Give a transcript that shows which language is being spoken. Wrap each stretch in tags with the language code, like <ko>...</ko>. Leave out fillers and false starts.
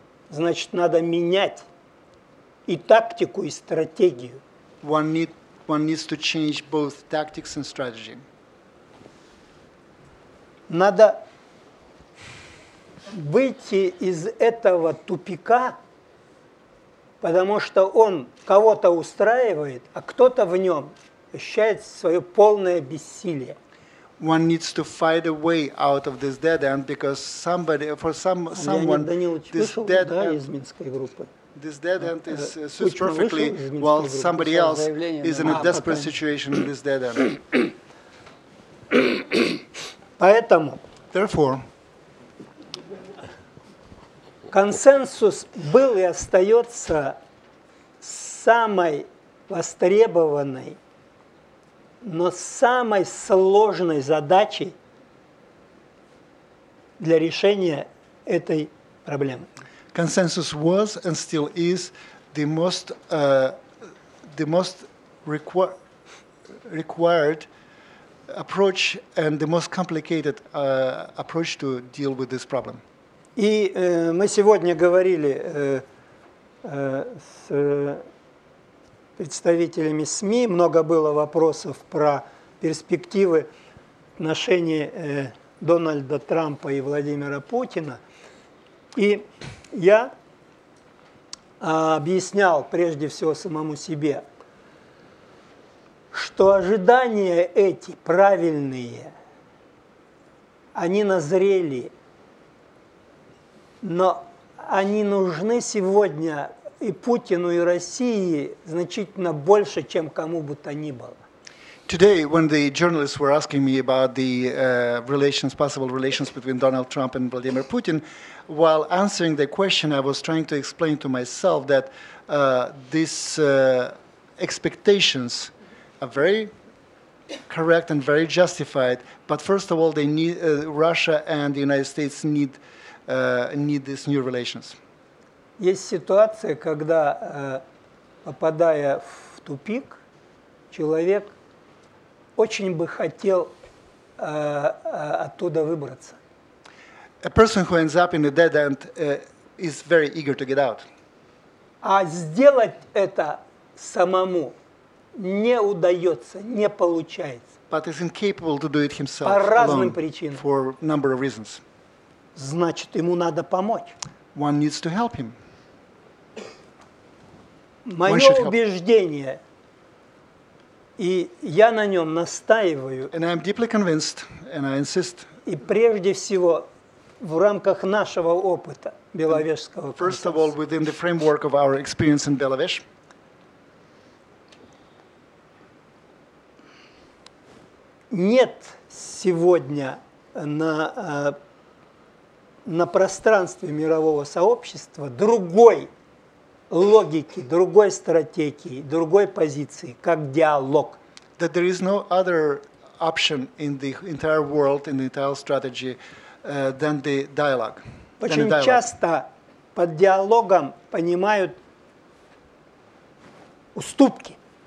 <ru>Значит, надо менять и тактику, и стратегию.</ru> <en>One needs to change both tactics and strategy.</en> <ru>Надо выйти из этого тупика, потому что он кого-то устраивает, а кто-то в нем ощущает свое полное бессилие.</ru> <en>One needs to fight a way out of this dead end because somebody, for some, someone, this dead end, this dead end is suits perfectly while somebody else is in a desperate situation in this dead end.</en> <ru>Поэтому,</ru> <en>therefore,</en> <ru>консенсус был и остается самой востребованной но самой сложной задачей для решения этой проблемы.</ru> <en>Consensus was and still is the most required approach and the most complicated approach to deal with this problem.</en> <ru>И мы сегодня говорили с представителями СМИ, много было вопросов про перспективы отношений Дональда Трампа и Владимира Путина. И я объяснял прежде всего самому себе, что ожидания эти правильные, они назрели, но они нужны сегодня и Путину, и России значительно больше, чем кому бы то ни было.</ru> <en>Today, when the journalists were asking me about the relations, possible relations between Donald Trump and Vladimir Putin, while answering the question, I was trying to explain to myself that these expectations are very correct and very justified. But first of all, they need Russia and the United States need these new relations.</en> <ru>Есть ситуация, когда, попадая в тупик, человек очень бы хотел оттуда выбраться.</ru> <en>A person who ends up in a dead end is very eager to get out.</en> <ru>А сделать это самому не удается, не получается.</ru> <en>But is incapable to do it himself.</en> <ru>По разным причинам.</ru> <en>For number of reasons.</en> <ru>Значит, ему надо помочь.</ru> <en>One needs to help him.</en> <ru>Мое убеждение, и я на нем настаиваю,</ru> <en>and I am deeply convinced, and I insist,</en> <ru>и прежде всего в рамках нашего опыта Беловежского</ru> <en>First of all, within the framework of our experience in Belovezh,</en> <ru>нет сегодня на пространстве мирового сообщества другой логики, другой стратегии, другой позиции, как диалог.</ru> <en>That there is no other option in the entire world, in the entire strategy, than the dialogue.</en> <ru>Очень часто под диалогом понимают уступки.</ru>